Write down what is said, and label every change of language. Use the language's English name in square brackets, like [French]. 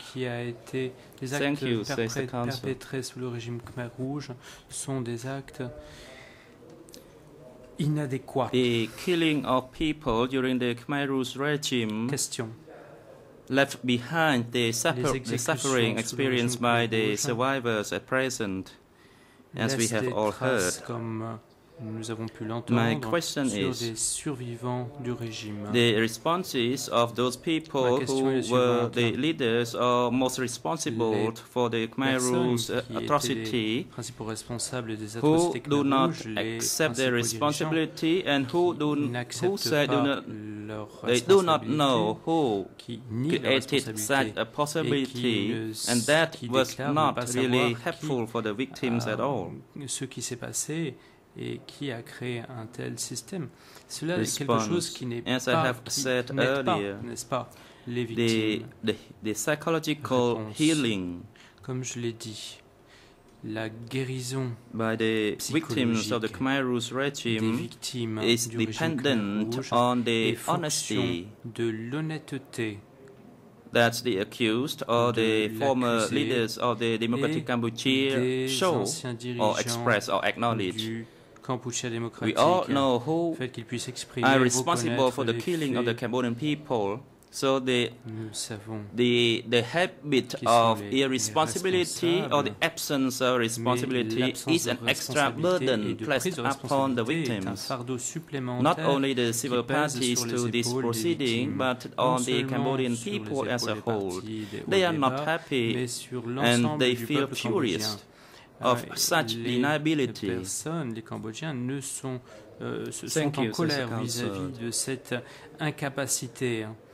[French] Ce qui a été, les actes perpétrés sous le régime Khmer Rouge sont des actes inadéquats. [English] The killing of people during the Khmer Rouge regime. Question. Left behind the suffering experienced by the survivors at present, as we have all heard. My question is, the responses of those people who were the leaders or most responsible for the Khmer Rouge atrocity, who do not accept their responsibility and who do not know who created such a possibility, and that was not really helpful for the victims at all. [French] Ce qui s'est passé Et qui a créé un tel système? Cela est quelque chose qui n'est pas, n'est-ce pas, les victimes. [English] The psychological healing, [French] comme je l'ai dit, la guérison [English] by the victims of the Khmer Rouge regime is dependent on the honesty [French] de l'honnêteté [English] that the accused or the former leaders of the Democratic Cambodia show or express or acknowledge. We all know who are responsible for the killing of the Cambodian people. So the habit of irresponsibility or the absence of responsibility is an extra burden placed upon the victims, not only the civil parties to this proceeding, but on the Cambodian people as a whole. They are not happy and they feel furious of such deniability. [French] Les Cambodgiens ne sont, sont en colère vis-à-vis de cette incapacité.